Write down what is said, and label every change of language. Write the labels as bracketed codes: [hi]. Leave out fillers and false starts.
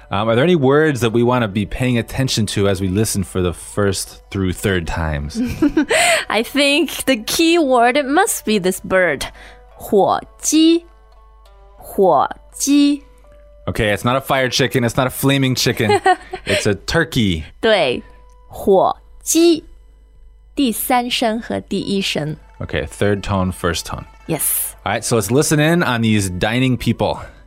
[en] Are there any words that we want to be paying attention to as we listen for the first through third times? I think the key word must be this bird. [zh] 火鸡 [en] Okay, it's not a fire chicken, it's not a flaming chicken. It's a turkey. [zh] 对,火鸡,第三声和第一声. [en] Okay, third tone, first tone. Yes. All right, so let's listen in on these dining people.